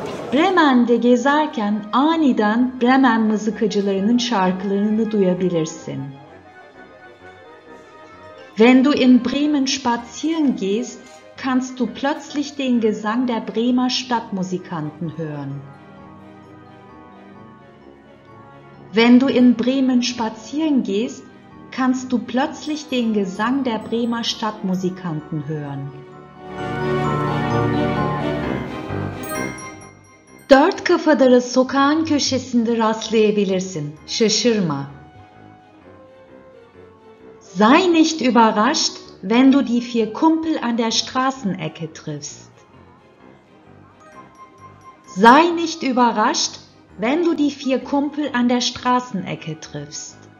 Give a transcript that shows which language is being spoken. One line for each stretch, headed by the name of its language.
Turkish: Bremen'de gezerken aniden Bremen Mızıkacılarının şarkılarını duyabilirsin.
German: Wenn du in Bremen spazieren gehst, kannst du plötzlich den Gesang der Bremer Stadtmusikanten hören. Wenn du in Bremen spazieren gehst, kannst du plötzlich den Gesang der Bremer Stadtmusikanten hören.
Turkish: 4 Kafadarı sokağın köşesinde rastlayabilirsin. Şaşırma.
German: Sei nicht überrascht, wenn du die vier Kumpel an der Straßenecke triffst. Sei nicht überrascht, wenn du die vier Kumpel an der Straßenecke triffst.